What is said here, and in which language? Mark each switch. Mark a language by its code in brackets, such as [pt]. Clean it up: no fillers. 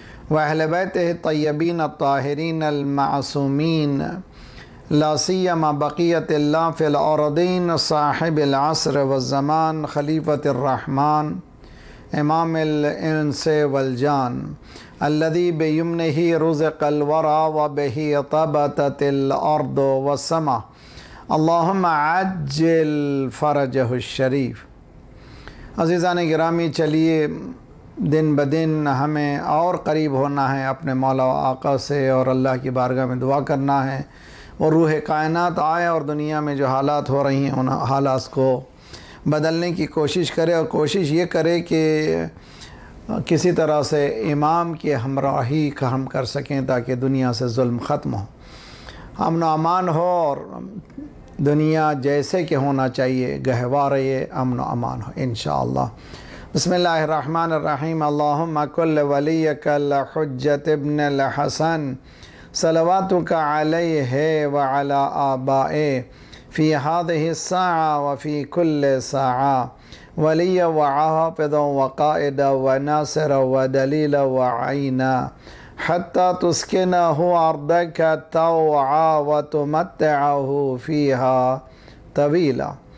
[ar] وأهل بيته الطيبين الطاهرين المعصومين لا سيما بقية الله في الأرضين صاحب العصر والزمان خليفة الرحمن إمام الإنس والجان الذي بيمنه رزق الورى وبه طبتت الأرض والسماء اللهم عجل فرجه الشريف. [fa] عزیزان گرامی، [ur] چلیے دن بدن ہمیں اور قریب ہونا ہے اپنے مولا و آقا سے، اور اللہ کی بارگاہ میں دعا کرنا ہے اور روح کائنات آئے اور دنیا میں جو حالات ہو رہی ہیں ان حالات کو بدلنے کی کوشش کرے، اور کوشش یہ کرے کہ کسی طرح سے امام کی ہمراہی کام کر سکیں تاکہ دنیا سے ظلم ختم ہو، امن و امان ہو، اور دنیا جیسے کہ ہونا چاہیے گہوارہ امن و امان ہو انشاءاللہ. [ar] بسم اللہ الرحمن الرحیم. اللہم کل ولیک الحجت ابن الحسن صلواتک علیہ وعلی آبائے فی هذه الساعة وفی کل ساعة ولي وعافظ وقائد وناصر ودليل وعينا حتى تسكنه أرضك طوعا وتمتعه فيها طويلا.